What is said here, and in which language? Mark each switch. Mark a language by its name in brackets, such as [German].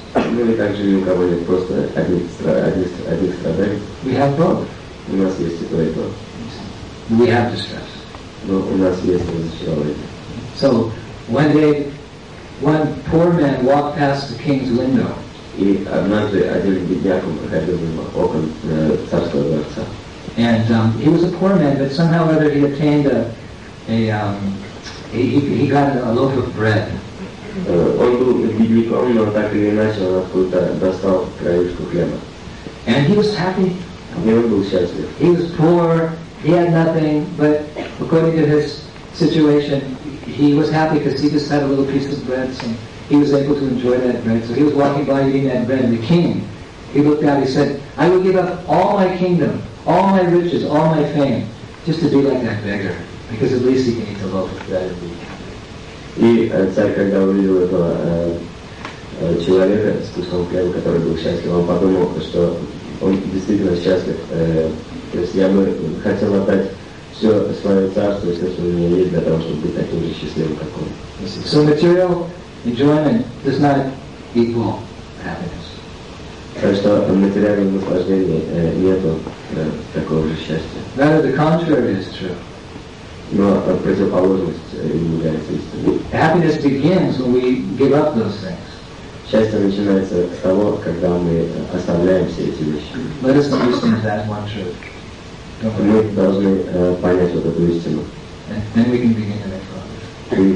[Russian] Ну и также ни у кого нет просто одних страданий. [English] We have both. [Russian] У нас есть и то, и то. [English] We have distress. [Russian] Но у нас есть разочарование. [English] So, one day, one poor man walked past the king's window. [Russian] И однажды один бедняк проходил мимо окон царского дворца. [English] And he was a poor man, but somehow or other he obtained he got a loaf of bread. [Russian] Он был бедняком, но так или иначе он откуда-то достал краюшку хлеба. [English] And he was happy. [Russian] И он был счастлив. [English] He was poor, he had nothing, but according to his situation, he was happy because he just had a little piece of bread, so he was able to enjoy that bread. So he was walking by eating that bread, and the king, he looked out, he said, I will give up all my kingdom, all my riches, all my fame, just to be like that beggar, because at least he can eat a loaf of bread. [Russian] И царь, когда увидел этого человека с куском хлеба, который был счастлив, он подумал, что он действительно счастлив. То есть я бы хотел отдать все свое царство, все, что у меня есть, для того, чтобы быть таким же счастливым, как он. [English] So material enjoyment does not equal happiness. [Russian] Так что материальное наслаждение нету такого же счастья. [English] Rather the contrary is true. [Russian] Но противоположность им является истиной. [English] Happiness begins when we give up those things. [Russian] Счастье начинается с того, когда мы оставляем все эти вещи. [English] Let us understand that one truth. [Russian] Мы должны понять вот эту истину. [English] Then we can begin to make progress.